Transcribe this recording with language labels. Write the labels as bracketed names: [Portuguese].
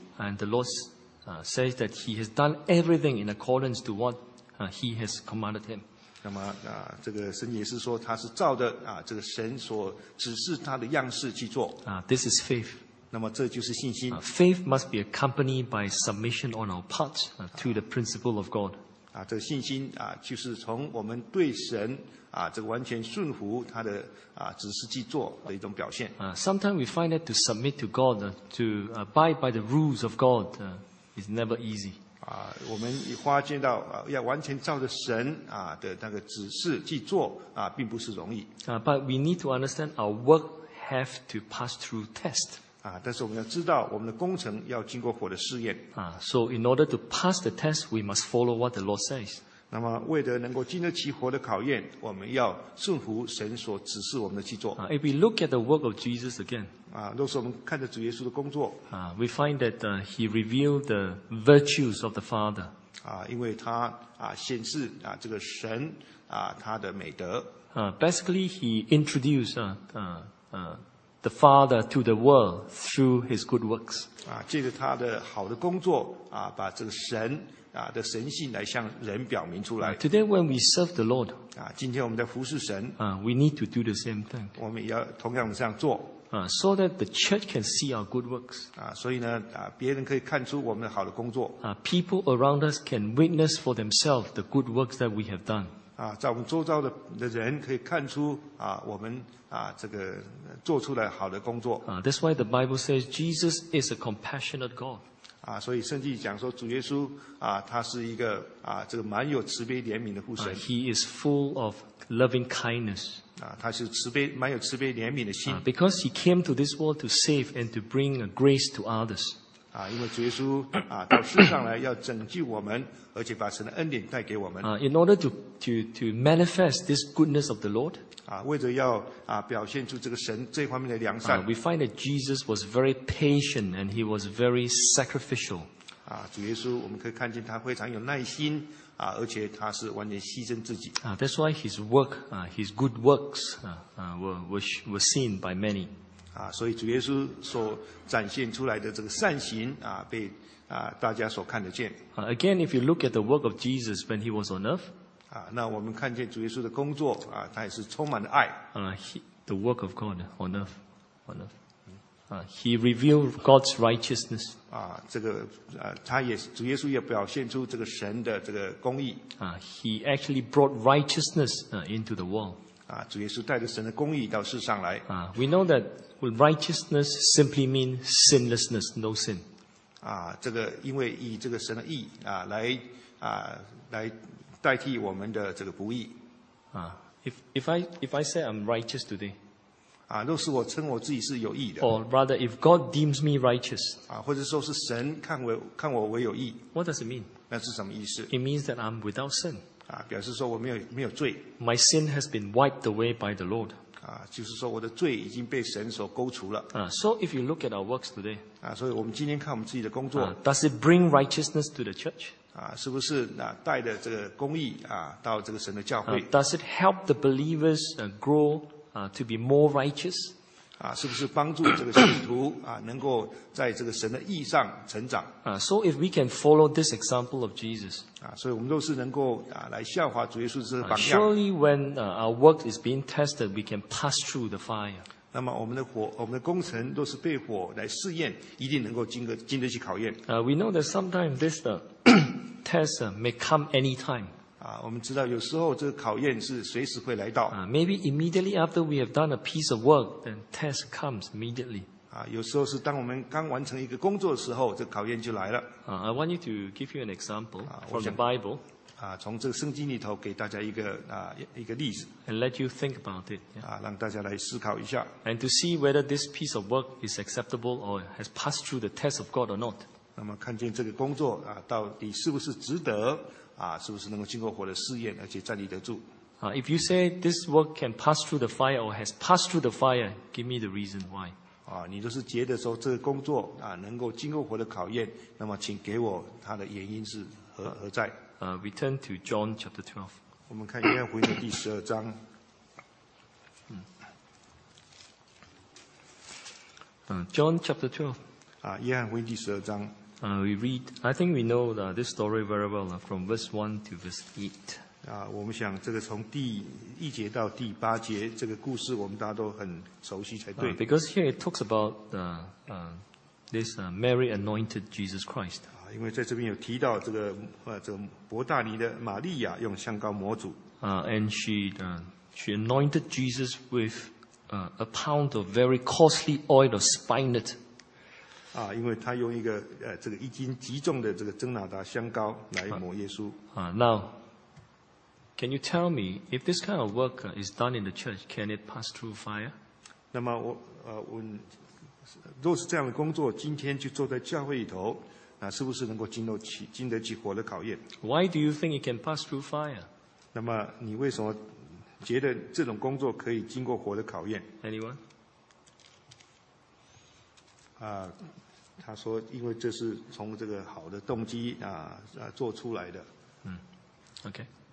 [English] And the Lord says that he has done everything in accordance to what he has commanded him. [Chinese] 那么这个神也是说他是照着这个神所指示他的样式去做。 [English] This is faith. [Chinese] 那么这就是信心。 [English] Faith must be accompanied by submission on our part to the principle of God. [Chinese] 这个信心就是从我们对神这个完全顺服他的指示去做的一种表现。 [English] Sometimes we find that to submit to God, to abide by the rules of God, is never easy. [Chinese] 我们发现到要完全照着神的那个指示去做并不是容易。 [English] But we need to understand our work have to pass through test. [Chinese] 但是我们要知道我们的工程要经过火的试验。 [English] So in order to pass the test, we must follow what the Lord says. [Chinese] 那么为了能够经得起火的考验，我们要顺服神所指示我们的去做。 [English] If we look at the work of Jesus again. [Chinese] 都是我们看着主耶稣的工作。 [English] We find that he revealed the virtues of the Father. [Chinese] 因为他显示这个神他的美德。 [English] Basically, he introduced the Father to the world through his good works. [Chinese] 借着他的好的工作把这个神的神性来向人表明出来。 [English] Today, when we serve the Lord, [Chinese] 今天我们在服侍神。 [English] We need to do the same thing. [Chinese] 我们也要同样的这样做。 [English] So that the church can see our good works. [Chinese] 所以呢，别人可以看出我们的好的工作。 [English] People around us can witness for themselves the good works that we have done. [Chinese] 在我们周遭的人可以看出我们这个做出了好的工作。 [English] That's why the Bible says Jesus is a compassionate God. [Chinese] 所以圣经讲说主耶稣他是一个这个蛮有慈悲怜悯的父神。 [English] He is full of loving kindness. [Chinese] 他是蛮有慈悲怜悯的心。 [English] Because he came to this world to save and to bring grace to others. [Chinese] 因为主耶稣到世上来要拯救我们，而且把神的恩典带给我们。 [English] In order to manifest this goodness of the Lord. [Chinese] 为着要表现出这个神这方面的良善。 [English] We find that Jesus was very patient and he was very sacrificial. [Chinese] 啊，主耶稣，我们可以看见他非常有耐心啊，而且他是完全牺牲自己。 [English] That's why his work, his good works, were seen by many. [Chinese] 啊，所以主耶稣所展现出来的这个善行啊，被啊大家所看得见。 [English] Again, if you look at the work of Jesus when he was on earth, [Chinese] 啊，那我们看见主耶稣的工作啊，他也是充满了爱。 [English] The work of God on earth, on earth. He revealed God's righteousness. [Chinese] 啊，这个啊，他也主耶稣也表现出这个神的这个公义。 [English] 啊，He actually brought righteousness into the world. [Chinese] 啊，主耶稣带着神的公义到世上来。 [English] 啊，We know that righteousness simply means sinlessness, no sin. [Chinese] 啊，这个因为以这个神的义啊来啊来代替我们的这个不义。 [English] 啊，If I say I'm righteous today. [Chinese] 啊，若是我称我自己是有义的 [English] ，or rather, if God deems me righteous， [Chinese] 啊，或者说是神看我为有义 [English] ，what does it mean？ [Chinese] 那是什么意思 [English] ？It means that I'm without sin， [Chinese] 啊，表示说我没有罪。 [English] My sin has been wiped away by the Lord， [Chinese] 啊，就是说我的罪已经被神所勾除了。 [English] 啊 ，so if you look at our works today， [Chinese] 啊，所以我们今天看我们自己的工作 [English] ，does it bring righteousness to the church？ [Chinese] 啊，是不是那带着这个公义啊到这个神的教会 [English] ？Does it help the believers grow？ To be more righteous, [Chinese] 啊，是不是帮助这个信徒啊，能够在这个神的义上成长？ [English] 啊，so if we can follow this example of Jesus, [Chinese] 啊，所以我们都是能够啊来效法主耶稣这个榜样。 [English] Surely when our work is being tested, we can pass through the fire. [Chinese] 那么我们的工程都是被火来试验，一定能够经得起考验。 [English] We know that sometimes this test may come any time. [Chinese] 我们知道有时候这个考验是随时会来到。 [English] Maybe immediately after we have done a piece of work, then test comes immediately. [Chinese] 有时候是当我们刚完成一个工作的时候，这个考验就来了。 [English] I want you to give you an example from the Bible. [Chinese] 从这个圣经里头给大家一个例子。 [English] And let you think about it. [Chinese] 让大家来思考一下。 [English] And to see whether this piece of work is acceptable or has passed through the test of God or not. [Chinese] 那么看见这个工作到底是不是值得。是不是能够经过火的试验，而且站立得住？ [English] If you say this work can pass through the fire or has passed through the fire, give me the reason why. [Chinese] 你就是觉得说这个工作能够经过火的考验，那么请给我它的原因是何在？ [English] We turn to John chapter 12. [Chinese] 我们看约翰福音的第十二章。 [English] John chapter 12. [Chinese] 约翰福音第十二章。 [English] I think we know this story very well from verse 1 to verse 8. [Chinese] 我们想这个从第一节到第八节这个故事我们大家都很熟悉才对。 [English] Because here it talks about Mary anointed Jesus Christ. [Chinese] 因为在这边有提到这个伯大尼的玛利亚用香膏抹主。 [English] And she anointed Jesus with a pound of very costly oil of spikenard. [Chinese] 因为他用一个这个一斤极重的这个真拿达香膏来抹耶稣。 [English] Now, can you tell me if this kind of work is done in the church, can it pass through fire? [Chinese] 那么我若是这样的工作，今天就坐在教会里头，是不是能够经得起火的考验 [English] ？Why do you think it can pass through fire? [Chinese] 那么你为什么觉得这种工作可以经过火的考验 [English] ？Anyone? [Chinese] 他说因为这是从这个好的动机做出来的。 [English] Okay.